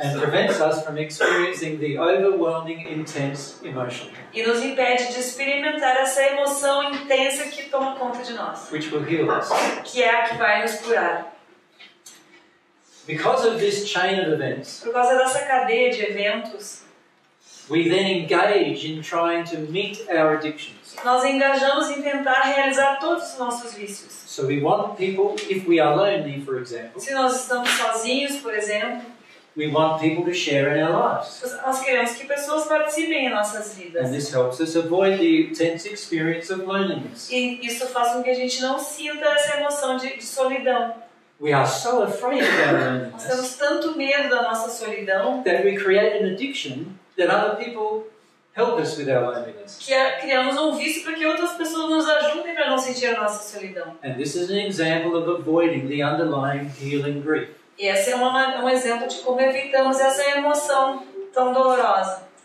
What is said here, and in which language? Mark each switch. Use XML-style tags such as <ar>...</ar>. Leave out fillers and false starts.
<en>and prevents us from experiencing the overwhelming intense emotion,</en> <pt>e nos impede de experimentar essa emoção intensa que toma conta de nós,</pt> <en>which will heal us,</en> <pt>que é a que vai nos curar.</pt> <en>Because of this chain of events,</en> <pt>por causa dessa cadeia de eventos,</pt> <en>we then engage in trying to meet our addictions.</en> <pt>Nós engajamos em tentar realizar todos os nossos vícios.</pt> <en>So we want people, if we are lonely, for example,</en> <pt>se nós estamos sozinhos, por exemplo,</pt> <en>we want people to share in our lives.</en> <pt>Nós queremos que pessoas participem em nossas vidas.</pt> <en>And this helps us avoid the intense experience of loneliness.</en> <pt>E isso faz com que a gente não sinta essa emoção de solidão.</pt> <en>We are so afraid of our loneliness.</en> <pt>Nós temos tanto medo da nossa solidão.</pt> <en>That we create an addiction that other people help us with our loneliness.</en> <pt>Que criamos vício para que outras pessoas nos ajudem para não sentir a nossa solidão.</pt> <en>And this is an example of avoiding the underlying healing grief.</en> <pt>E esse é um exemplo de como evitamos essa emoção tão dolorosa.</pt>